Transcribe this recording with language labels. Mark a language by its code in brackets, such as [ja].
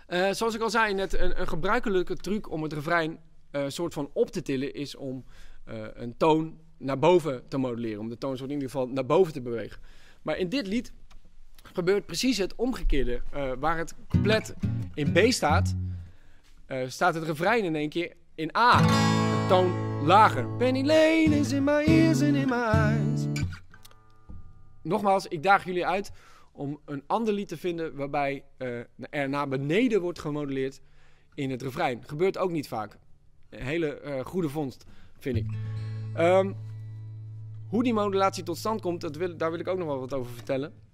[nl] Zoals ik al zei net, een gebruikelijke truc om het refrein soort van op te tillen is om een toon naar boven te modelleren, om de toon in ieder geval naar boven te bewegen. Maar in dit lied gebeurt precies het omgekeerde. Waar het couplet in B staat, staat het refrein in één keer in A, een toon lager. [en] Penny Lane is in my ears and in my eyes. [nl] Nogmaals, ik daag jullie uit om een ander lied te vinden waarbij er naar beneden wordt gemodelleerd in het refrein. Gebeurt ook niet vaak. Een hele goede vondst, vind ik. Hoe die modulatie tot stand komt, daar wil ik ook nog wel wat over vertellen.